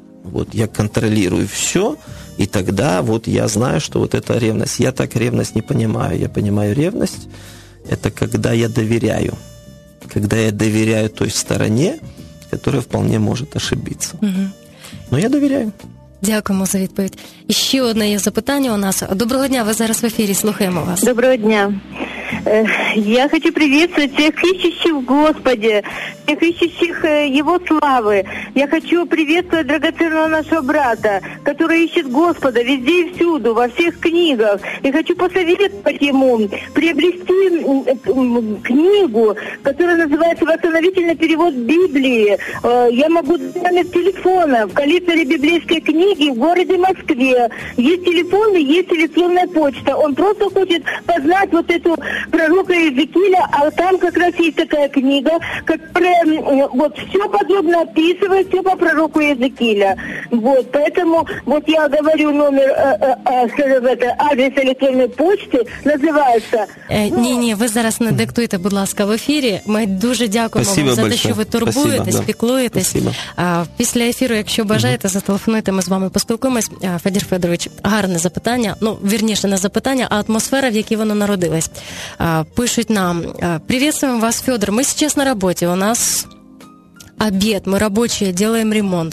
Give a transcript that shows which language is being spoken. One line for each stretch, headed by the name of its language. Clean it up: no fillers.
Russian: Вот я контролирую все, и тогда вот я знаю, что вот это ревность. Я так ревность не понимаю. Я понимаю ревность, это когда я доверяю. Когда я доверяю той стороне, которая вполне может ошибиться. Угу. Но я доверяю.
Ukrainian: Дякуємо за відповідь. І ще одне є запитання у нас. Доброго дня, ви зараз в ефірі, слухаємо вас. Доброго дня.
Russian: Я хочу приветствовать всех ищущих Господи, всех ищущих Его славы. Я хочу приветствовать драгоценного нашего брата, который ищет Господа везде и всюду, во всех книгах. И хочу посоветовать ему приобрести книгу, которая называется «Восстановительный перевод Библии». Я могу дать номер телефона в коллекторе библейской книги в городе Москве. Есть телефон и есть электронная почта. Он просто хочет познать вот эту пророка Иезекииля, а там как раз есть такая книга, которая вот все подробно описывает, все по пророку Иезекииля. Вот, поэтому вот я говорю номер, скажем, это адрес электронной почты, называется...
Ukrainian: Ні, ви зараз не диктуйте, будь ласка, в ефірі. Ми дуже дякуємо
Russian: спасибо
Ukrainian: вам за
Russian: большое.
Ukrainian: Те, що ви турбуєтесь, піклуєтесь. Після ефіру, якщо бажаєте, зателефонуйте, ми з вами поспілкуємось. Федір Федорович, гарне запитання. Ну, вірніше, не запитання, а атмосфера, в якій воно народилось. Пишуть нам:
Russian: «Приветствуем вас, Федор. Мы сейчас на работе. У нас обед, мы рабочие, делаем ремонт.